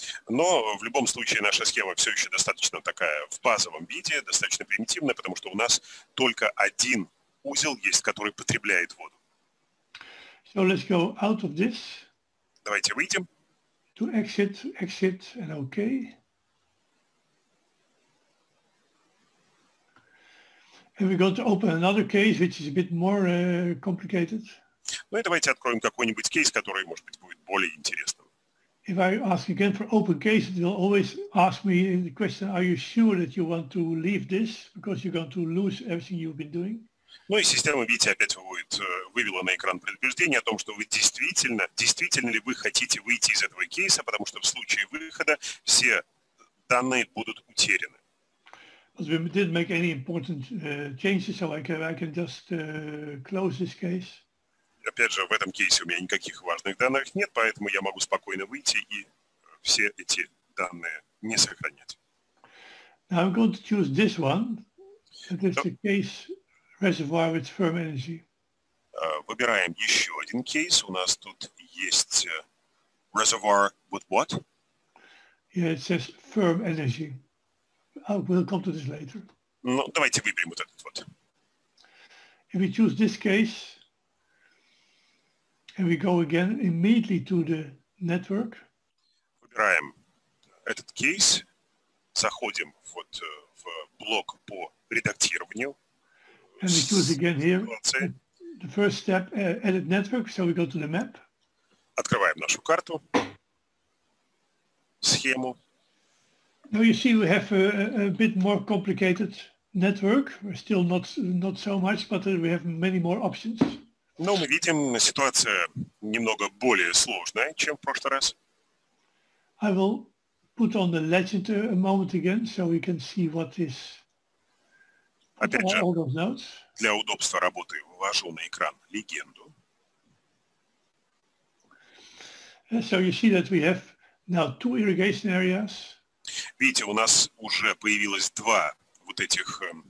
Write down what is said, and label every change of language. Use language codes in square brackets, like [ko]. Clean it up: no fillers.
[ru] Но в любом случае наша схема все еще достаточно такая в базовом виде, достаточно примитивная, потому что у нас только один узел есть, который потребляет воду. [en] So let's go out of this. [ru] Давайте выйдем. [en] To exit, exit and OK. And And we're going to open another case, which is a bit more complicated. [ru] Ну и давайте откроем какой-нибудь кейс, который, может быть, будет более интересным. [en] If I ask again for open cases, they'll always ask me the question, are you sure that you want to leave this, because you're going to lose everything you've been doing? [ru] Ну и система, видите, опять выводит, вывела на экран предупреждение о том, что вы действительно, действительно ли вы хотите выйти из этого кейса, потому что в случае выхода все данные будут утеряны. [en] We didn't make any important changes, so I can just close this case. [ru] Опять же, в этом кейсе у меня никаких важных данных нет, поэтому я могу спокойно выйти и все эти данные не сохранять. [en] Now I'm going to choose this one. It is the case reservoir with firm energy. [ru] Выбираем еще один кейс. У нас тут есть [en] reservoir with what? Yeah, it says firm energy. We'll come to this later. [ru] Ну, давайте выберем вот этот вот. [en] If we choose this case, and we go again immediately to the network. [ru] Выбираем этот кейс, заходим вот в блок по редактированию. [en] And we choose again here the first step, edit network, so we go to the map. [ru] Открываем нашу карту, схему. [en] Now you see we have a bit more complicated network. We're still not so much, but we have many more options. [ru] Ну, мы видим, ситуация немного более сложная, чем в прошлый раз. [en] I will put on the legend a moment again, so we can see what is all those notes. [ru] Для удобства работы вывожу на экран легенду. [en] So you see that we have now two irrigation areas. [ru] Видите, у нас уже появилось два вот этих